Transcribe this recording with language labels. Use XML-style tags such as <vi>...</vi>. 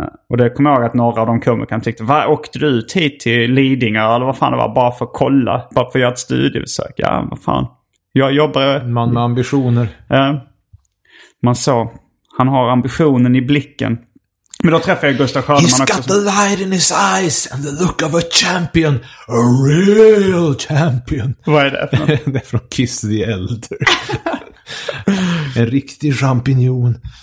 <sv>Och det kommer jag ihåg att några av de komikerna tyckte, var åkte du ut hit till Lidingö eller vad fan det var, bara för att kolla, bara för att göra ett studiebesök? Ja, vad fan, jag jobbar man med ambitioner. Man sa, han har ambitionen i blicken. Men då träffade jag Gustav Söderman också.</sv> <en>He's got the light in his eyes and the look of a champion, a real champion.</en> <sv>Vad är det? Det är från Kiss the Elder. En riktig champignon.</sv>